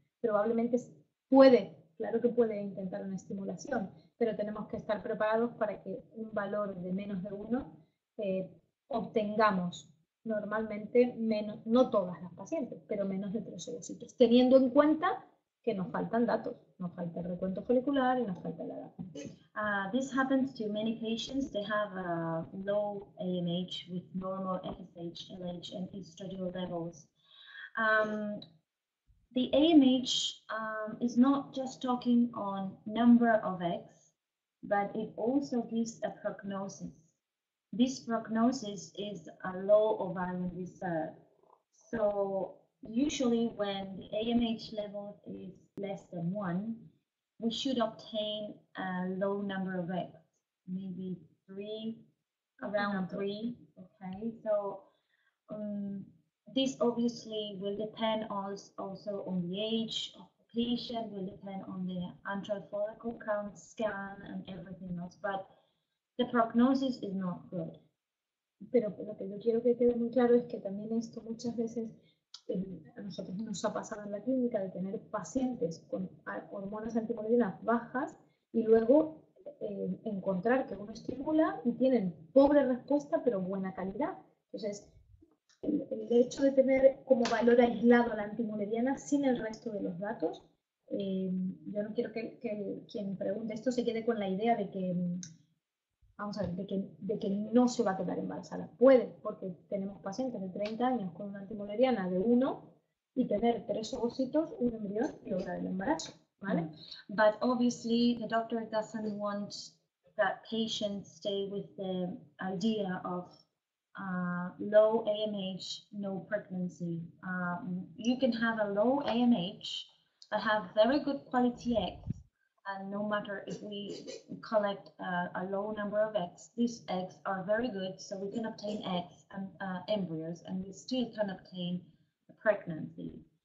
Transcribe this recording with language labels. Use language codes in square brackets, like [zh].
[es] Probablemente puede, claro que puede intentar una estimulación, pero tenemos que estar preparados para que un valor de menos de 1 obtengamos normalmente menos, no todas las pacientes, pero menos de 3 ovocitos, teniendo en cuenta que nos faltan datos, nos falta el recuento folicular y nos falta la edad. [en] This happens to many patients. They have a low AMH with normal FSH, LH and estradiol levels. the AMH is not just talking on number of eggs, but it also gives a prognosis. This prognosis is a low ovarian reserve. So usually when the AMH level is less than one, we should obtain a low number of eggs, maybe three, around three, okay? So this obviously will depend also on the age of the patient, will depend on the antral follicle count scan and everything else, but the prognosis is not good. [es] Pero lo que yo quiero que quede muy claro es que también esto muchas veces a nosotros nos ha pasado en la clínica de tener pacientes con hormonas anticoagulantes bajas y luego encontrar que uno estimula y tienen pobre respuesta pero buena calidad. Entonces, el hecho de tener como valor aislado la antimoleriana sin el resto de los datos, yo no quiero que quien pregunte esto se quede con la idea de que, vamos a ver, de que no se va a quedar embarazada. Puede, porque tenemos pacientes de 30 años con una antimoleriana de 1 y tener 3 ovocitos, un embrión y lograr el embarazo. ¿Vale? [en] But obviously the doctor doesn't want that patient stay with the idea of low AMH, no pregnancy. You can have a low AMH, but have very good quality eggs, and no matter if we collect a low number of eggs, these eggs are very good, so we can obtain eggs and embryos, and we still can obtain a pregnancy.